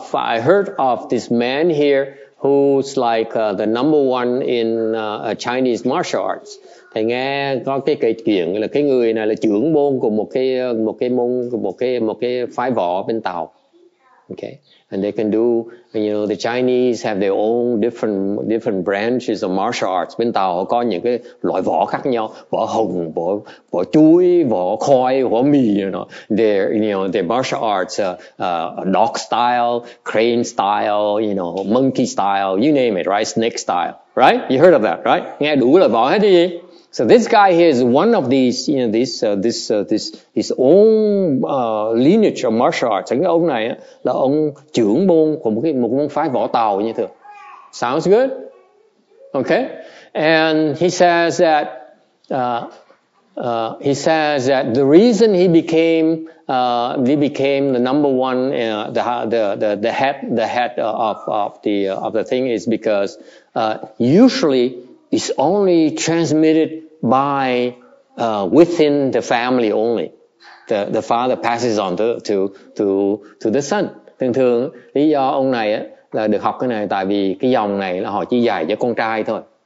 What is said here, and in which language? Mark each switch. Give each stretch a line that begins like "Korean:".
English: I heard of this man here who's like the number one in Chinese martial arts.
Vietnamese: Thầy nghe có cái chuyện là cái người này là trưởng môn của một cái phái võ bên Tàu.
English: Okay. And they can do, you know, the Chinese have their own different branches of martial arts.
Vietnamese: Bên Tàu họ có những cái loại võ khác nhau, võ hồng, võ chuối, võ khoai, võ mì, you know.
English: Their martial arts, dog style, crane style, you know, monkey style, you name it, right? Snake style, right? You heard of that, right?
Vietnamese: Nghe đủ loại võ hết đi.
English: So this guy here is one of these, you know, this his own lineage of martial arts.
Vietnamese: Cái ông này là ông trưởng môn của một môn phái võ Tàu như thường.
English: Sounds good? Okay. And he says that the reason he became the number one the head of the thing is because usually it's only transmitted by within the family only. The father passes on to the son.
Vietnamese: Thường thường lý do ông này là được học cái này tại vì cái dòng này là họ chỉ dạy cho con trai thôi.